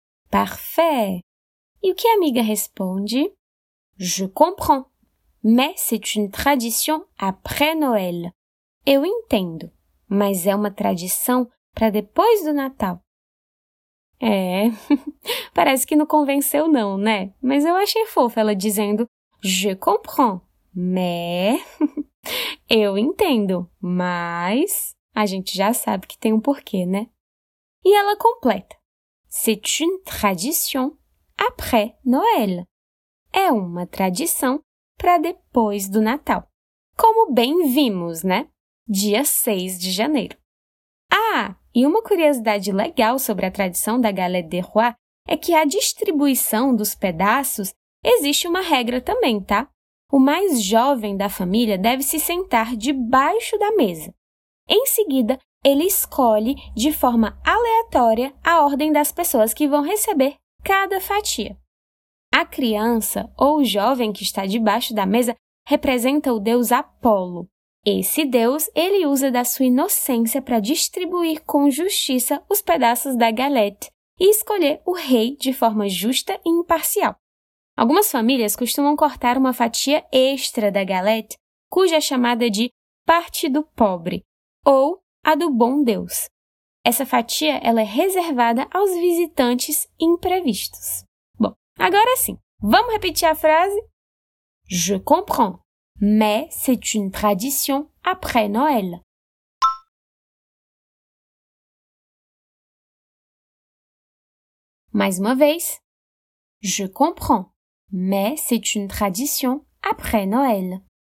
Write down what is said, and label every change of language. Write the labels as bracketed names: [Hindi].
[Portuguese] Parfait. E o que a amiga responde? [French] Je comprends. mais c'est une tradition après Noël. [Portuguese] Eu entendo, mas é uma tradição para depois do Natal. É, parece que não convenceu não, né? Mas eu achei fofa ela dizendo, [French] je comprends, mais... [Portuguese] Eu entendo, mas... A gente já sabe que tem um porquê, né? E ela completa. [French] C'est une tradition après Noël. [Portuguese] É uma tradição para depois do Natal. Como bem vimos, né? Dia 6 de janeiro. Ah, e uma curiosidade legal sobre a tradição da Galette des Rois é que a distribuição dos pedaços existe uma regra também, tá? O mais jovem da família deve se sentar debaixo da mesa. Em seguida, ele escolhe, de forma aleatória, a ordem das pessoas que vão receber cada fatia. A criança ou o jovem que está debaixo da mesa representa o deus Apolo. Esse deus, ele usa da sua inocência para distribuir com justiça os pedaços da galette e escolher o rei de forma justa e imparcial. Algumas famílias costumam cortar uma fatia extra da galette, cuja é chamada de parte do pobre. Ou a do bom Deus. Essa fatia ela é reservada aos visitantes imprevistos. Bom, agora sim, vamos repetir a frase? [French] Je comprends, mais c'est une tradition après Noël. [Portuguese] Mais uma vez. [French] Je comprends, mais c'est une tradition après Noël.